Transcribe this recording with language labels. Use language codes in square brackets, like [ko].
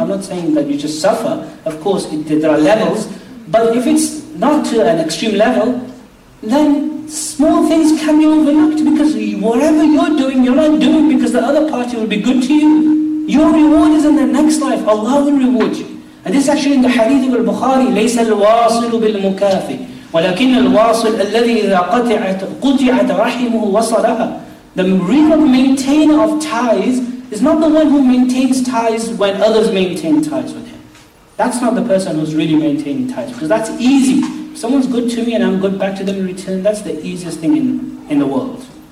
[en] I'm not saying that you just suffer. Of course, there are levels. But if it's not to an extreme level, then small things can be overlooked, because whatever you're doing, you're not doing because the other party will be good to you. Your reward is in the next life. Allah will reward you. And this is actually in the hadith of Al-Bukhari, [ar] لَيْسَ الْوَاصِلُ بِالْمُكَافِ وَلَكِنَّ الْوَاصِلُ الَّذِي إِذَا قُطِعَتْ رَحِمُهُ وَصَلَهَا. [en] The real maintainer of ties is not the one who maintains ties when others maintain ties with him. That's not the person who's really maintaining ties, because that's easy. If someone's good to me and I'm good back to them in return, that's the easiest thing in the world.